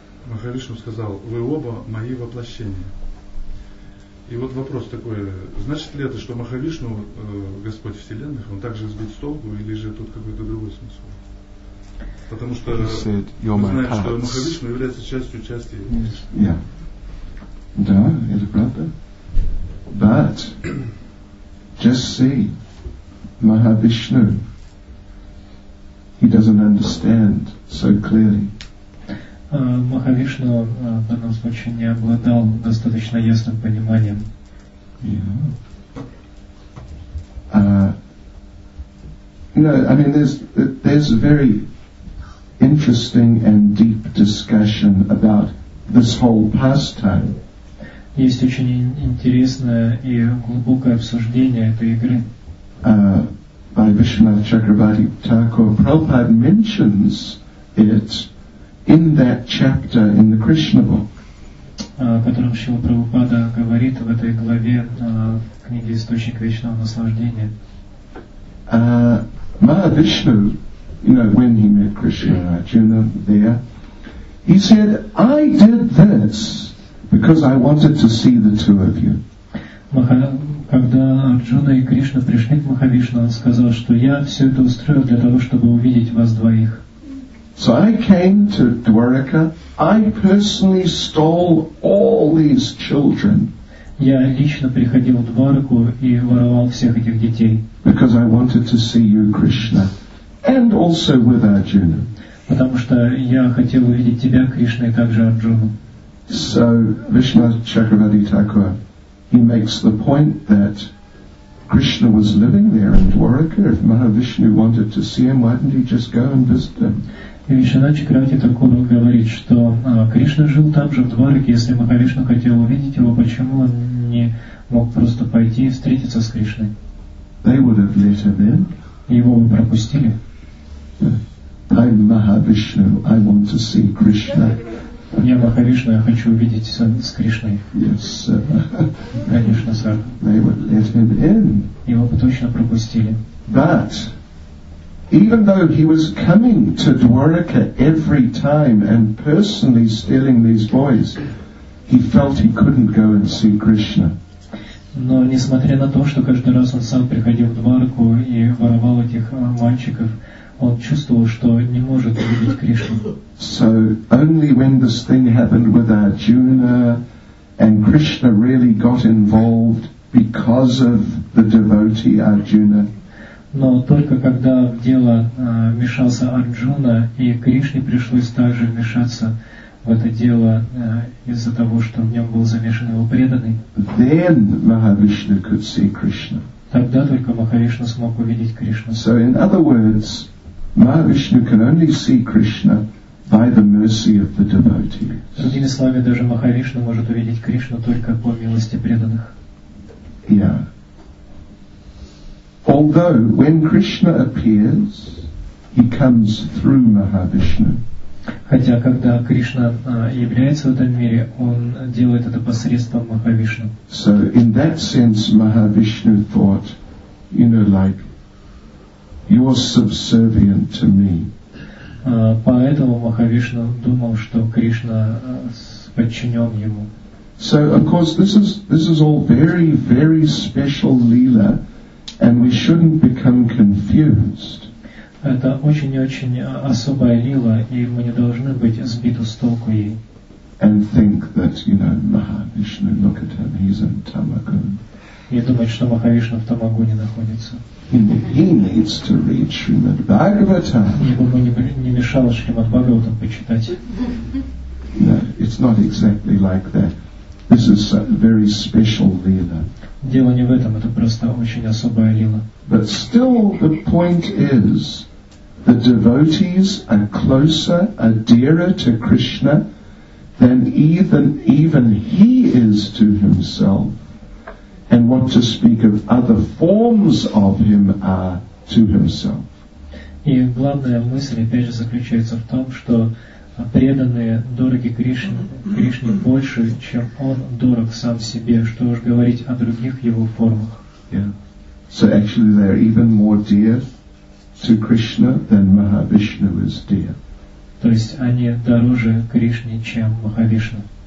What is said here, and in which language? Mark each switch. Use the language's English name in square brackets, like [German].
[Russian] Махавишну сказал: «Вы оба мои воплощения». И вот вопрос такой: значит ли это, что Махавишну, Господь Вселенных, он также сбит с толку, или же тут какой-то другой смысл? Потому что [English] he said, you're my [Russian] знаешь, что Махавишну является частью части. [English] Yes. Yeah. [Russian] Да, это правда. [English] But just see, Mahavishnu, he doesn't understand so clearly. [Russian] Махавишну в данном случае не обладал достаточно ясным пониманием. [English] Yeah. You know, I mean, there's a very interesting and deep discussion about this whole pastime. [Russian] Есть очень интересное и глубокое обсуждение этой игры. [English] By Vishwanatha Chakrabarti Thakur, Prabhupada mentions it in that chapter in the Krishna book. [Russian] Которым Шрила Прабхупада говорит в этой главе в книге «Источник вечного наслаждения». [English] Mahavishnu, you know, when he met Krishna and Arjuna there, he said, I did this because I wanted to see the two of you. [Russian] Когда Арджуна и Кришна пришли к Махавишну, он сказал, что я все это устроил для того, чтобы увидеть вас двоих. [English] So I came to Dwarka. I personally stole all these children. [Russian] Я лично приходил в Двараку и воровал всех этих детей. [English] Because I wanted to see you, Krishna, and also with Arjuna. [Russian] Потому что я хотел увидеть тебя, Кришна, и также Арджуну. [English] So Vishwanatha Chakrabarti Thakur, he makes the point that Krishna was living there in Dwarka. If Mahavishnu wanted to see him, why didn't he just go and visit him? [Russian] И Вишванатха Чакравати Такур говорит, что Кришна жил там же в Двараке. Если Махавишну хотел увидеть его, почему он не мог просто пойти и встретиться с Кришной? [English] They would have let him in. [Russian] Его бы пропустили. [English] I'm Mahavishnu. I want to see Krishna. [Russian] Я Махавишну, я хочу увидеть с Кришной. [English] Yes, sir. [Russian] Конечно, сэр. [English] They would let him in. [Russian] Его бы точно пропустили. [English] But even though he was coming to Dwaraka every time and personally stealing these boys, he felt he couldn't go and see Krishna. [Russian] Но несмотря на то, что каждый раз он сам приходил в Дварку и воровал этих мальчиков, он чувствовал, что не может увидеть Кришну. [English] So only when this thing happened with Arjuna and Krishna really got involved because of the devotee Arjuna. [Russian] Но только когда в дело вмешался Арджуна, и Кришне пришлось также вмешаться в это дело из-за того, что в нем был замешан его преданный, [English] then Mahavishnu could see Krishna. [Russian] Тогда только Махавишна смог увидеть Кришну. [English] So in other words, Mahavishnu can only see Krishna by the mercy of the devotees. [Russian] Другими словами, даже Махавишна может увидеть Кришну только по милости преданных. [English] Yeah. Although when Krishna appears, he comes through Mahavishnu. [Russian] Хотя когда Кришна является в этом мире, он делает это посредством Махавишну. [English] So in that sense, Mahavishnu thought, you know, like, you're subservient to me. [Russian] Поэтому Махавишна думал, что Кришна подчинен ему. [English] So of course this is all very very special lila. And we shouldn't become confused. [Russian] Это очень-очень особая лила, и мы не должны быть сбиты с толку ей. [English] And think that, you know, Mahavishnu, look at him, he's in Tamagun. [Russian] И думать, что Махавишна в Тамагуне находится. [English] He needs to read Srimad Bhagavatam. [Russian] Ему бы не мешало Шримад Бхагаватам почитать. [English] No, it's not exactly like that. This is a very special lila. [Russian] Дело не в этом, это просто очень особая лила. [English] But still the point is, the devotees are closer, are dearer to Krishna than even he is to himself. And what to speak of other forms of him are to himself. [Russian] И главная мысль опять же заключается в том, что преданные дороги Кришне больше, чем он дорог сам себе, что уж говорить о других его формах. [English] Yeah. So actually they are even more dear to Krishna than Mahavishnu is dear. [Russian] То есть они дороже Кришне, чем Махавишна.